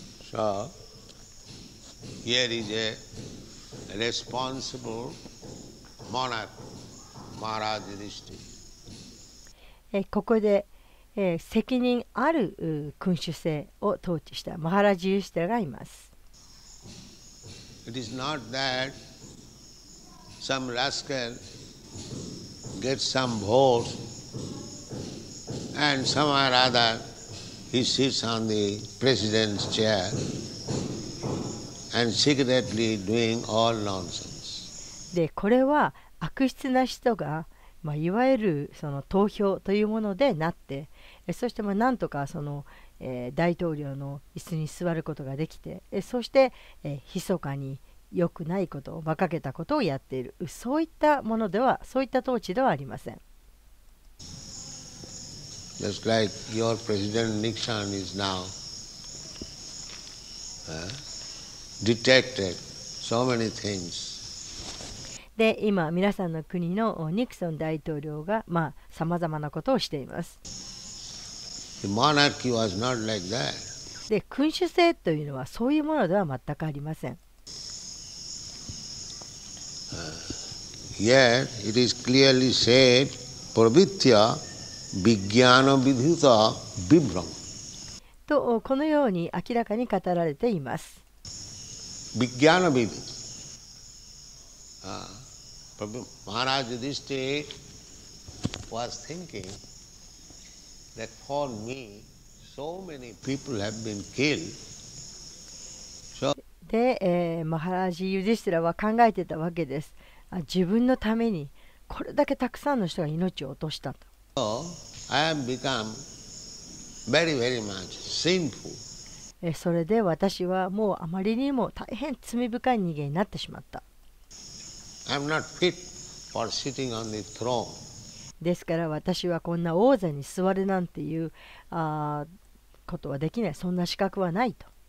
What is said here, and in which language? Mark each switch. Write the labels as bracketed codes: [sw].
[en] So, here is a responsible monarch, Maharaj Yudhishthira. [ja] ここで、責任ある君主制を統治したマハラジュシテラがいます。 [en] It is not that. Some rascal gets some vote and somehow or other he sits on the president's chair and secretly doing all nonsense. [ja] で、これは悪質な人が、まあ、いわゆるその投票というものでなって、そしてまあなんとかその、大統領の椅子に座ることができて、そして、密かに良くないことを、馬鹿げたことをやっている、そういったものでは、そういった統治ではありません。 [en] Just like your President Nixon is now detected so many things. [ja] で、今皆さんの国のニクソン大統領がまあさまざまなことをしています。 [en] The monarchy was not like that. [ja] で、君主制というのはそういうものでは全くありません。 [en] Yet it is clearly said, [sa] pravritya vijnana viduta vibhram. [ja] とこのように明らかに語られています。 [sa] vijnana viduta. [en] Maharaj Yudhishthira was thinking that for me, so many people have been killed. [ja] で、マハラジ・ユディシュラは考えてたわけです。あ、自分のためにこれだけたくさんの人が命を落としたと。 [en] So, I have become very, very much sinful. [ja] それで私はもうあまりにも大変罪深い人間になってしまった。 [en] I'm not fit for sitting on the throne. [ja] ですから私はこんな王座に座るなんていうことはできない、そんな資格はないと。